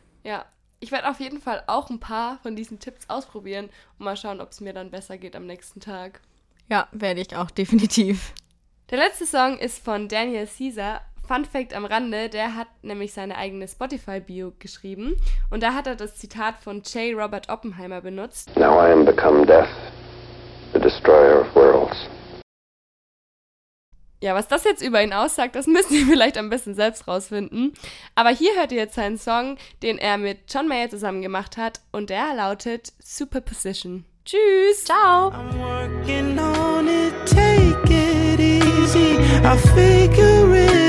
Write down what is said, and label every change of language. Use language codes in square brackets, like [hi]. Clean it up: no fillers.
[de] Ja, ich werde auf jeden Fall auch ein paar von diesen Tipps ausprobieren und mal schauen, ob es mir dann besser geht am nächsten Tag. Ja, werde ich auch, definitiv. Der letzte Song ist von Daniel Caesar. Fun Fact am Rande, der hat nämlich seine eigene Spotify-Bio geschrieben und da hat er das Zitat von J. Robert Oppenheimer benutzt. [en] Now I am become death, the destroyer of worlds. [de] Ja, was das jetzt über ihn aussagt, das müsst ihr vielleicht am besten selbst rausfinden. Aber hier hört ihr jetzt seinen Song, den er mit John Mayer zusammen gemacht hat und der lautet Superposition. Tschüss! Ciao! [en] I'm working on it, take it easy, I figure it.